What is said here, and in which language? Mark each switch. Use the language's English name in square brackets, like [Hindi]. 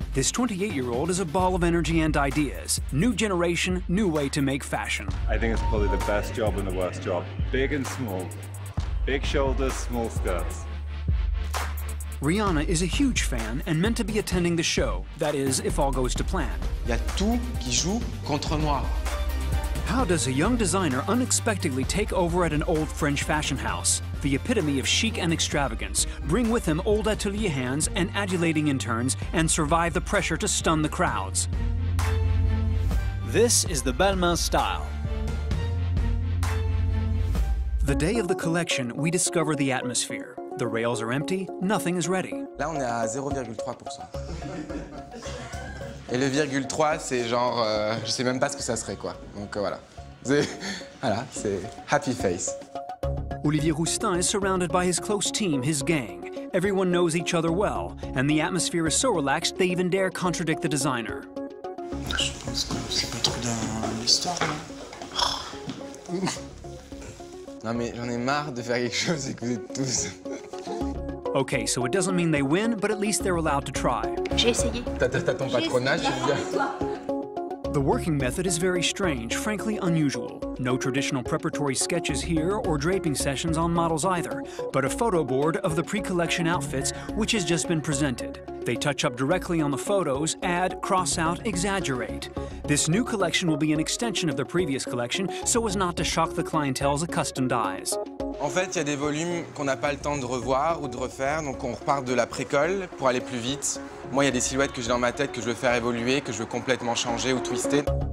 [English] This 28-year-old is a ball of energy and ideas. New generation, new way to make fashion. I think it's probably the best job and the worst job. Big and small. Big shoulders, small skirts. Rihanna is a huge fan and meant to be attending the show, that is, if all goes to plan. [French] Il y a tout qui joue contre moi. [English] How does a young designer unexpectedly take over at an old French fashion house? The epitome of chic and extravagance, bring with him old atelier hands and adulating interns, and survive the pressure to stun the crowds. This is the Balmain style. The day of the collection, we discover the atmosphere. The rails are empty, nothing is ready. [French] Là, on est à 0,3%. Et le 0,3, c'est genre, je sais même pas ce que ça serait, quoi. Donc voilà. Voilà, c'est [English] happy face. Olivier Roustan is surrounded by his close team, his gang. Everyone knows each other well, and the atmosphere is so relaxed they even dare contradict the designer. [French] Je pense que c'est pas trop dans l'histoire. Non mais j'en ai marre de faire quelque chose et que vous êtes tous. [English] Okay, so it doesn't mean they win, but at least they're allowed to try. [French] J'ai essayé. T'as ton patronage, je veux dire. [English] The working method is very strange, frankly unusual. No traditional preparatory sketches here or draping sessions on models either, but a photo board of the pre-collection outfits, which has just been presented. They touch up directly on the photos, add, cross out, exaggerate. This new collection will be an extension of the previous collection, so as not to shock the clientele's accustomed eyes. [French] En fait, il y a des volumes qu'on n'a pas le temps de revoir ou de refaire, donc on repart de la pré-colle pour aller plus vite. Moi, il y a des silhouettes que j'ai dans ma tête que je veux faire évoluer, que je veux complètement changer ou twister.